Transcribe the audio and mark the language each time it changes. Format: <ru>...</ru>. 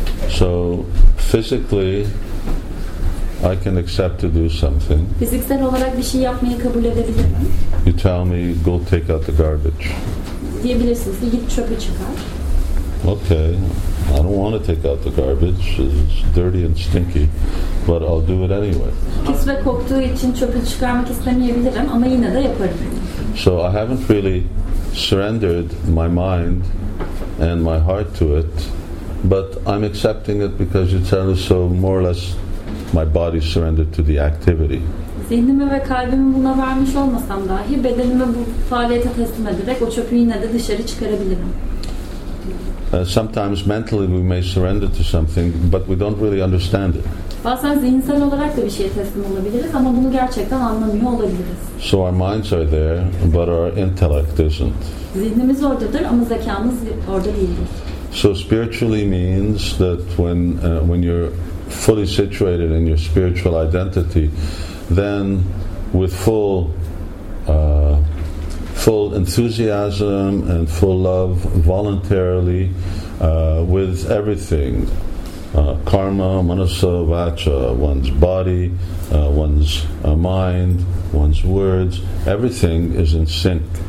<en>So physically I can accept to do something.</en> <tr>Fiziksel olarak bir şey yapmayı kabul edebilirim.</tr> <en>You tell me, go take out the garbage.</en> <tr>Diyebilirsiniz ki git çöpü çıkar.</tr> <en>Okay, I don't want to take out the garbage. It's dirty and stinky, but I'll do it anyway.</en> <tr>Pis ve koktuğu için çöpü çıkarmak istemeyebilirim ama yine de yaparım.</tr> <en>So I haven't really surrendered my mind and my heart to it, but I'm accepting it because you tell me so. More or less, my body surrendered to the activity.</en> <tr>Zihnimi ve kalbimi buna vermiş olmasam dahi bedenimi bu faaliyete teslim ederek o çöpü yine de dışarı çıkarabilirim.</tr> <en>Sometimes mentally we may surrender to something, but we don't really understand it.</en> <tr>Bazen zihinsel olarak da bir şeye teslim olabiliriz ama bunu gerçekten anlamıyor olabiliriz.</tr> <en>So our minds are there, but our intellect isn't.</en> <tr>Zihnimiz oradadır ama zekamız orada değildir.</tr> <en>So spiritually means that when you're fully situated in your spiritual identity, then with full enthusiasm and full love, voluntarily, with everything, karma, manasa, vacha, one's body, one's mind, one's words, everything is in sync.</en>